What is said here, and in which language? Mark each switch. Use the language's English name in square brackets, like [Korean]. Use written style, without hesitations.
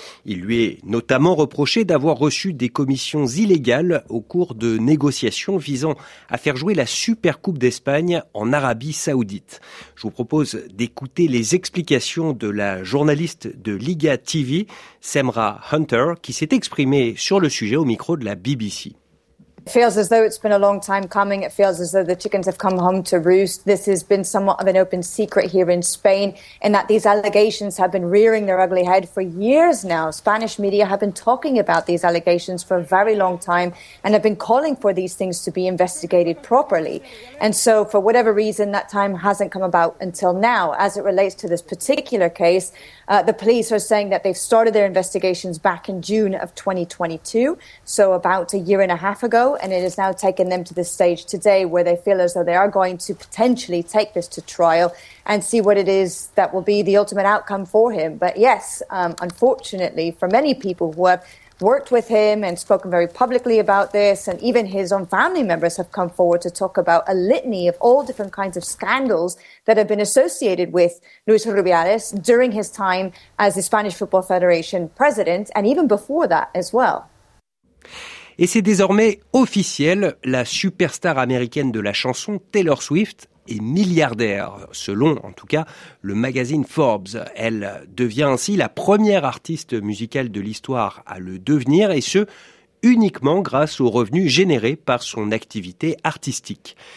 [French] Il lui est notamment reproché d'avoir reçu des commissions illégales au cours de négociations visant à faire jouer la Supercoupe d'Espagne en Arabie Saoudite. Je vous propose d'écouter les explications de la journaliste de Liga TV, Semra Hunter, qui s'est exprimée sur le sujet au micro de la BBC. [English] It feels as though it's been a long time coming. It feels as though the chickens have come home to roost. This has been somewhat of an open secret here in Spain, in that these allegations have been rearing their ugly head for years now. Spanish media have been talking about these allegations for a very long time and have been calling for these things to be investigated properly. And so for whatever reason, that time hasn't come about until now. As it relates to this particular case, the police are saying that they've started their investigations back in June of 2022, so about a year and a half ago. And it has now taken them to this stage today where they feel as though they are going to potentially take this to trial and see what it is that will be the ultimate outcome for him. But yes, unfortunately, for many people who have worked with him and spoken very publicly about this, and even his own family members have come forward to talk about a litany of all different kinds of scandals that have been associated with Luis Rubiales during his time as the Spanish Football Federation president, and even before that as well. [French] Et c'est désormais officiel, la superstar américaine de la chanson Taylor Swift est milliardaire, selon en tout cas le magazine Forbes. Elle devient ainsi la première artiste musicale de l'histoire à le devenir, et ce, uniquement grâce aux revenus générés par son activité artistique.